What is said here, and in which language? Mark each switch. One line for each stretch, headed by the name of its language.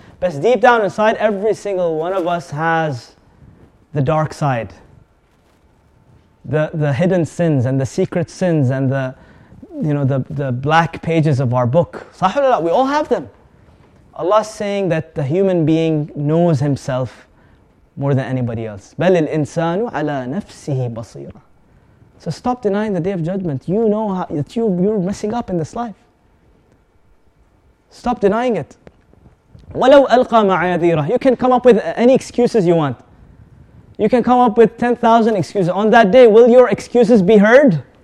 English: But deep down inside, every single one of us has the dark side. The hidden sins and the secret sins and the black pages of our book.
Arabic: صح ولا لا?
English: We all have them. Allah is saying that the human being knows himself more than anybody else.
Arabic: بل الإنسان على نفسه بصيرة.
English: So stop denying the Day of Judgment. You know that you're messing up in this life. Stop denying it.
Arabic: وَلَوْ أَلْقَى مَعَيَذِيرَهُ.
English: You can come up with any excuses you want. You can come up with 10,000 excuses. On that day, will your excuses be heard?